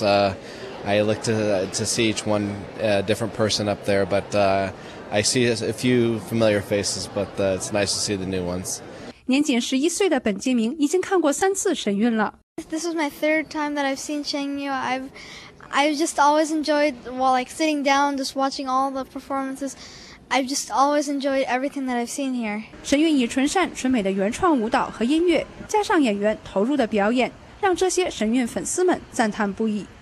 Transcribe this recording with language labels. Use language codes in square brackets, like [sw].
[en] I look to see each one different person up there. But I see a few familiar faces, but it's nice to see the new ones. [zh] 年仅十一岁的本杰明已经看过三次神韵了。 [en] This is my third time that I've seen Chang Yu. I've just always enjoyed while like sitting down, just watching all the performances. I've just always enjoyed everything that I've seen here. [zh] 神韵以纯善、纯美的原创舞蹈和音乐，加上演员投入的表演，让这些神韵粉丝们赞叹不已。